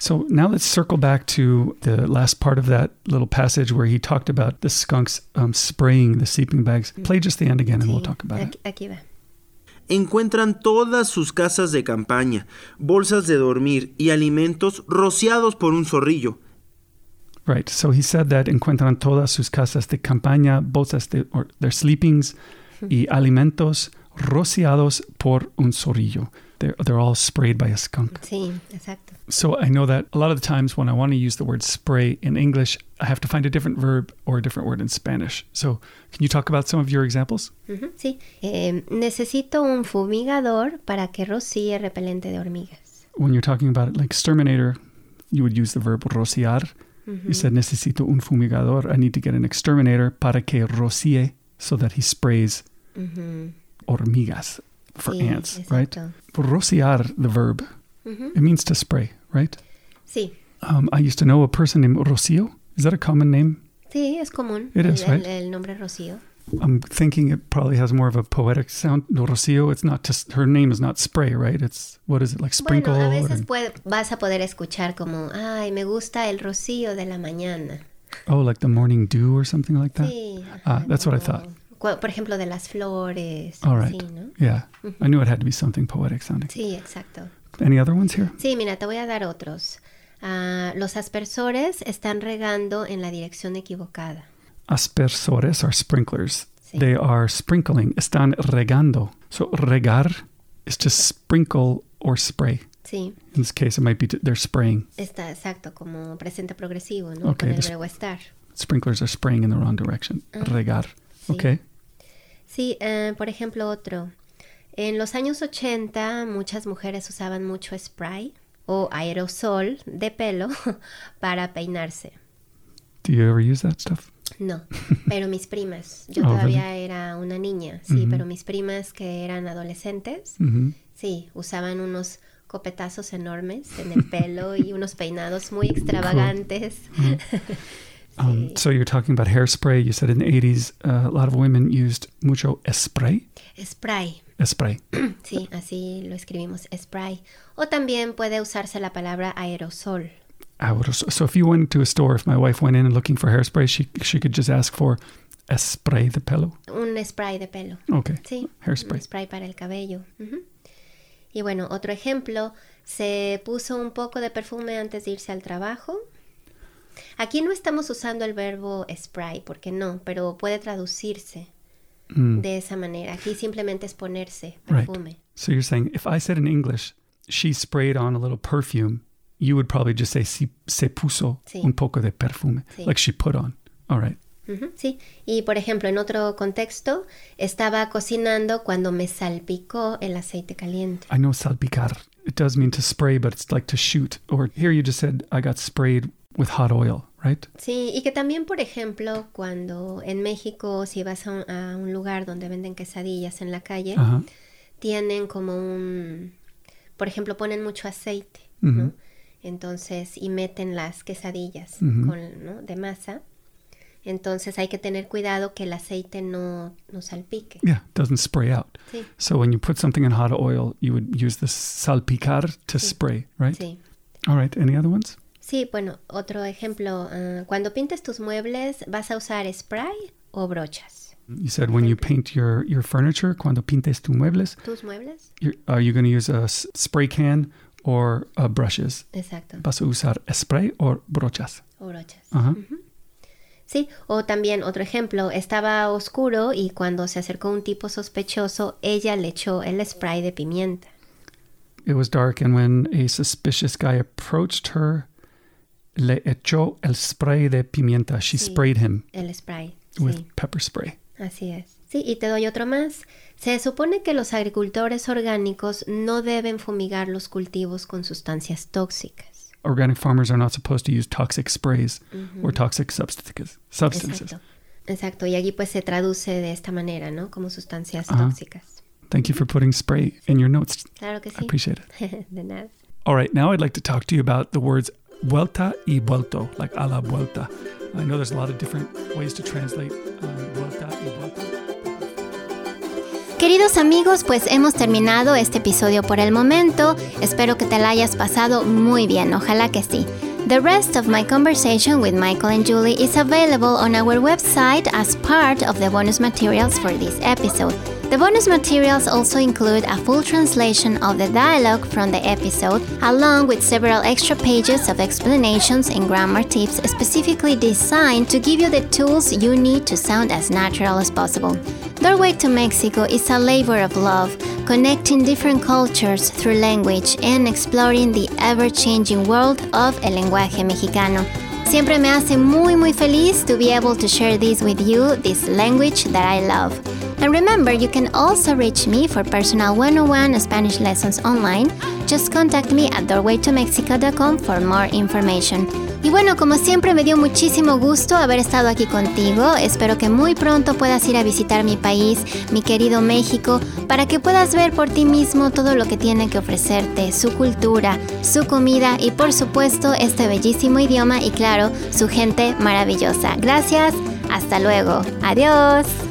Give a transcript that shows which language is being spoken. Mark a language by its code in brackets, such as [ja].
[en] So now let's circle back to the last part of that little passage where he talked about the skunks spraying the sleeping bags. Play just the end again and [es] sí. [en] We'll talk about it. [es] Aquí va. Encuentran todas sus casas de campaña, bolsas de dormir y alimentos rociados por un zorrillo. [en] Right, so he said that [es] encuentran todas sus casas de campaña, bolsas de, [en] or their sleepings, [es] y alimentos rociados por un zorrillo. [en] They're all sprayed by a skunk. [es] Sí, exacto. [en] So I know that a lot of the times when I want to use the word spray in English, I have to find a different verb or a different word in Spanish. So can you talk about some of your examples? Mm-hmm. [es] Sí, necesito un fumigador para que rocíe repelente de hormigas. [en] When you're talking about like exterminator, you would use the verb rociar. Mm-hmm. You said, [es] necesito un fumigador. [en] I need to get an exterminator [es] para que rocíe [en] so that he sprays mm-hmm. [es] hormigas [en] for [es] sí, [en] ants, [es] exacto. [en] Right? Rociar, the verb, mm-hmm. it means to spray, right? [es] Sí. [en] I used to know a person named Rocío. Is that a common name? [es] Sí, es común. [en] It [es] el, [en] is, right? [es] El nombre Rocío. [en] I'm thinking it probably has more of a poetic sound. No, Rocío, it's not just, her name is not spray, right? It's, what is it, like sprinkle? [es] Bueno, a veces puede, vas a poder escuchar como, ay, me gusta el rocío de la mañana. [en] Oh, like the morning dew or something like that? [es] Sí. [en] Ah, that's no. What I thought. [es] Por ejemplo, de las flores. [en] All right. [es] Sí, ¿no? [en] Yeah. I knew it had to be something poetic sounding. [es] Sí, exacto. [en] Any other ones here? [es] Sí, mira, te voy a dar otros. Los aspersores están regando en la dirección equivocada. [en] Aspersores are sprinklers. [es] Sí. [en] They are sprinkling. [es] Están regando. [en] So regar is to sprinkle or spray. [es] Sí. [en] In this case, it might be they're spraying. [es] Está exacto, como presente progresivo, ¿no? [en] Okay. [es] Con el verbo estar. [en] Sprinklers are spraying in the wrong direction. Regar. [es] Sí. [en] Okay. [es] Sí, por ejemplo, otro. En los años 80, muchas mujeres usaban mucho spray o aerosol de pelo para peinarse. [en] Do you ever use that stuff? [es] No, pero mis primas, yo oh, todavía [en] really? [es] Era una niña, sí, mm-hmm. pero mis primas que eran adolescentes, mm-hmm. sí, usaban unos copetazos enormes en el pelo y unos peinados muy extravagantes. [en] Cool. Mm-hmm. [es] sí. [en] So you're talking about hairspray, you said in the 80s, a lot of women used [es] mucho spray? [en] Spray. Spray. [es] Sí, así lo escribimos, spray. O también puede usarse la palabra aerosol. [en] So if you went to a store, if my wife went in and looking for hairspray, she could just ask for a [es] spray de pelo? Un spray de pelo. [en] Okay. [es] Sí. [en] Hairspray. [es] Un spray para el cabello. Uh-huh. Y bueno, otro ejemplo. Se puso un poco de perfume antes de irse al trabajo. Aquí no estamos usando el verbo spray, porque no, pero puede traducirse de esa manera. Aquí simplemente es ponerse perfume. [en] Right. So you're saying, if I said in English, she sprayed on a little perfume, you would probably just say, [es] se puso un poco de perfume, [en] like she put on. All right. Uh-huh. [es] Sí, y por ejemplo, en otro contexto, estaba cocinando cuando me salpicó el aceite caliente. [en] I know salpicar. It does mean to spray, but it's like to shoot. Or here you just said, I got sprayed with hot oil, right? [es] Sí, y que también, por ejemplo, cuando en México, si vas a un lugar donde venden quesadillas en la calle, tienen como un... Por ejemplo, ponen mucho aceite, ¿no? Entonces, y meten las quesadillas de masa. Entonces, hay que tener cuidado que el aceite no salpique. [en] Yeah, it doesn't spray out. [es] Sí. [en] So, when you put something in hot oil, you would use the salpicar to spray, right? [es] Sí. [en] All right, any other ones? [es] Sí, bueno, otro ejemplo. Cuando pintes tus muebles, ¿vas a usar spray o brochas? [en] You said when you paint your furniture, [es] cuando pintes tus muebles. ¿Tus muebles? [en] Are you going to use a spray can or brushes? [es] Exacto. ¿Vas a usar spray o brochas? O brochas. Ajá. Uh-huh. Sí, o también otro ejemplo, estaba oscuro y cuando se acercó un tipo sospechoso, ella le echó el spray de pimienta. [en] It was dark and when a suspicious guy approached her, [es] le echó el spray de pimienta. [en] She sprayed him. [es] El spray, [en] with pepper spray. [es] Así es. Sí, y te doy otro más. Se supone que los agricultores orgánicos no deben fumigar los cultivos con sustancias tóxicas. [en] Organic farmers are not supposed to use toxic sprays or toxic substances. [es] Exacto. Y aquí pues se traduce de esta manera, ¿no? Como sustancias tóxicas. [en] Thank you for putting spray in your notes. [es] Claro que sí. [en] I appreciate it. [es] De nada. [en] All right. Now I'd like to talk to you about the words [es] vuelta y vuelto, [en] like [es] a la vuelta. [en] I know there's a lot of different ways to translate [es] vuelta y vuelto. Queridos amigos, pues hemos terminado este episodio por el momento. Espero que te la hayas pasado muy bien, ojalá que sí. [en] The rest of my conversation with Michael and Julie is available on our website as part of the bonus materials for this episode. The bonus materials also include a full translation of the dialogue from the episode, along with several extra pages of explanations and grammar tips specifically designed to give you the tools you need to sound as natural as possible. Doorway to Mexico is a labor of love, connecting different cultures through language and exploring the ever-changing world of [es] el lenguaje mexicano. Siempre me hace muy, muy feliz [en] to be able to share this with you, this language that I love. And remember, you can also reach me for personal 101 Spanish lessons online. Just contact me at doorwaytomexico.com for more information. [es] Y bueno, como siempre, me dio muchísimo gusto haber estado aquí contigo. Espero que muy pronto puedas ir a visitar mi país, mi querido México, para que puedas ver por ti mismo todo lo que tiene que ofrecerte, su cultura, su comida y, por supuesto, este bellísimo idioma y, claro, su gente maravillosa. Gracias, hasta luego. Adiós.